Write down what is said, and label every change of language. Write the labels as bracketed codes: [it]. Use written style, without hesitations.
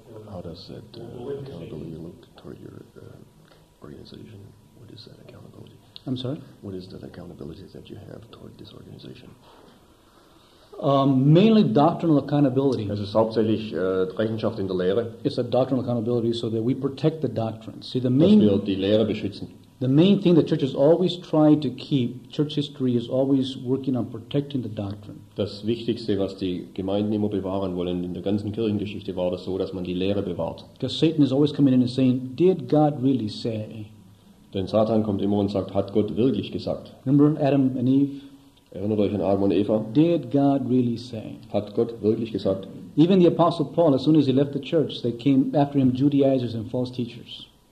[en] How does that accountability look toward your organization? What is that accountability? I'm sorry? What is the accountability that you have toward this organization? Mainly doctrinal accountability. [de] Es ist hauptsächlich Rechenschaft in der Lehre. [en] It's a doctrinal accountability so that we protect the doctrines. See, the [de] main, dass wir die Lehre beschützen. [en] The main thing the church has always tried to keep, church history is always working on protecting the doctrine. [de] Das Wichtigste, was die Gemeinden immer bewahren wollen in der ganzen Kirchengeschichte, war das so, dass man die Lehre bewahrt. [en] Because Satan is always coming in and saying, did God really say? [de] Denn Satan kommt immer und sagt, hat Gott wirklich gesagt? [en] Remember Adam and Eve? [de] Erinnert euch an Adam und Eva? [en] Did God really say? [de] Hat Gott wirklich gesagt? [en] Even the Apostle Paul, as soon as he left the church, they came after him Judaizers and false teachers.